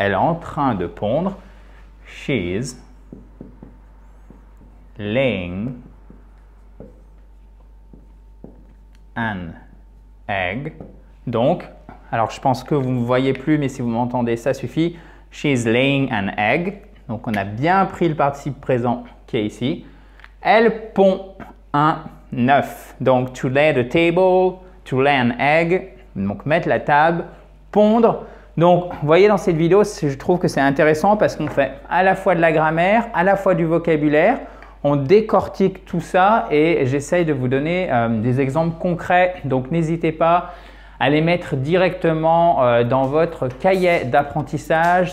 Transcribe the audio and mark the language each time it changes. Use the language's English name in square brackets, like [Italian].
[French] Elle est en train de pondre. [English] She is laying an egg. [French] Donc, alors je pense que vous ne me voyez plus, mais si vous m'entendez, ça suffit. [English] She's laying an egg. [French] Donc on a bien pris le participe présent qui est ici. Elle pond un œuf. [English] Donc to lay the table, to lay an egg. [French] Donc mettre la table, pondre. Donc vous voyez dans cette vidéo, je trouve que c'est intéressant parce qu'on fait à la fois de la grammaire, à la fois du vocabulaire. On décortique tout ça et j'essaye de vous donner des exemples concrets. Donc n'hésitez pas à les mettre directement dans votre cahier d'apprentissage.